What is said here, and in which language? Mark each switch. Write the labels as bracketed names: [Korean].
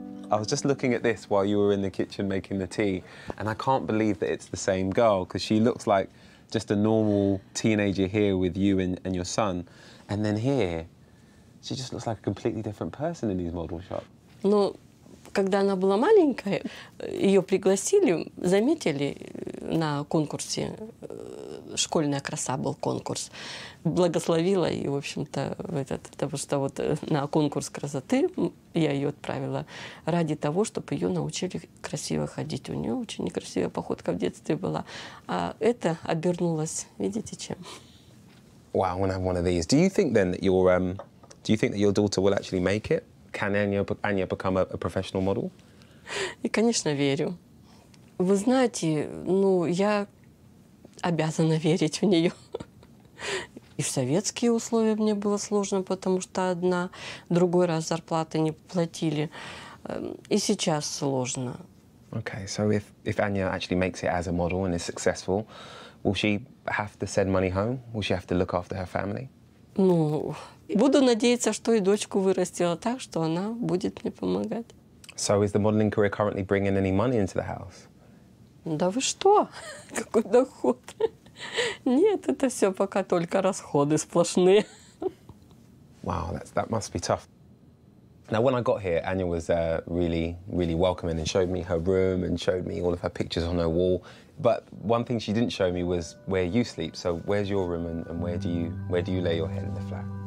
[English] I was just looking at this while you were in the kitchen making the tea, and I can't believe that it's the same girl, because she looks like just a normal teenager here with you and your son. And then here, she just looks like a completely different person in these model shops. [Russian] Ну, когда она была маленькая, ее пригласили, заметили на конкурсе, школьная краса был конкурс, благословила и, в общем-то, потому что вот на конкурс красоты я ее отправила ради того, чтобы ее научили красиво ходить. У нее очень некрасивая походка в детстве была. А это обернулось, видите, чем. [English] Wow, I'm gonna have one of these. Do you think then that your daughter will actually make it? Can Anya become a professional model? [Russian] И, конечно, верю. Вы знаете, ну, я обязана верить в нее. И в советские условия мне было сложно, потому что одна, другой раз зарплаты не платили. И сейчас сложно. [English] Okay, so if Anya actually makes it as a model and is successful, will she have to send money home? Will she have to look after her family? [Russian] Ну, буду надеяться, что и дочку вырастила так, что она будет мне помогать. [English] So is the modeling career currently bringing any money into the house? [Russian] Да вы что? Какой доход? Нет, это все пока только расходы сплошные. [English] Wow, that must be tough. Now, when I got here, Anya was really, really welcoming and showed me her room and showed me all of her pictures on her wall. But one thing she didn't show me was where you sleep. So where's your room and where do you lay your head in the flat?